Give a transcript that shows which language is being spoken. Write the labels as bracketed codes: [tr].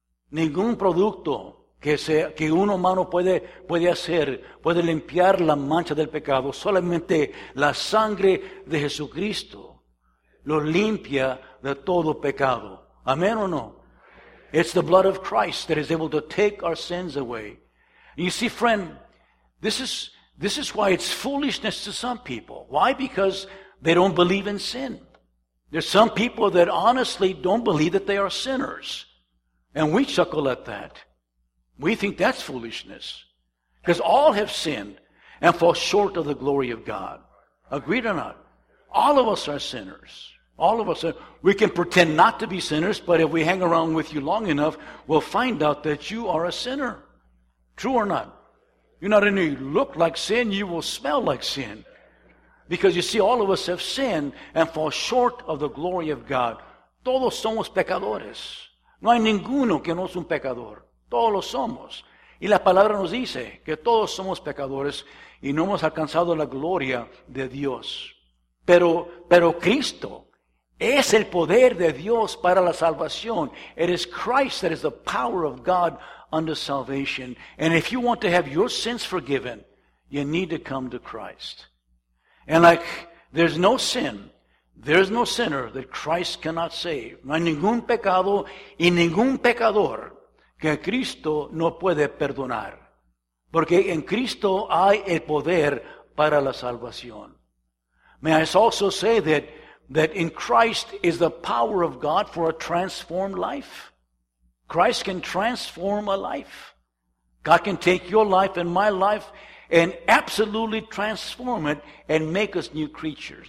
[es] Ningún producto que un humano puede hacer puede limpiar la mancha del pecado. Solamente la sangre de Jesucristo lo limpia de todo pecado. ¿Amén o no? [en] It's the blood of Christ that is able to take our sins away. You see, friend, this is why it's foolishness to some people. Why? Because they don't believe in sin. There's some people that honestly don't believe that they are sinners. And we chuckle at that. We think that's foolishness. Because all have sinned and fall short of the glory of God. Agreed or not? All of us are sinners. All of us are. We can pretend not to be sinners, but if we hang around with you long enough, we'll find out that you are a sinner. True or not? You not only look like sin, you will smell like sin. Because you see, all of us have sinned and fall short of the glory of God. [es] Todos somos pecadores. No hay ninguno que no es un pecador. Todos lo somos. Y la palabra nos dice que todos somos pecadores y no hemos alcanzado la gloria de Dios. Pero Cristo es el poder de Dios para la salvación. [en] It is Christ that is the power of God unto salvation. And if you want to have your sins forgiven, you need to come to Christ. And like, there's no sin, there's no sinner that Christ cannot save. [es] No hay ningún pecado y ningún pecador que Cristo no puede perdonar. Porque en Cristo hay el poder para la salvación. [en] May I also say that in Christ is the power of God for a transformed life. Christ can transform a life. God can take your life and my life and absolutely transform it and make us new creatures.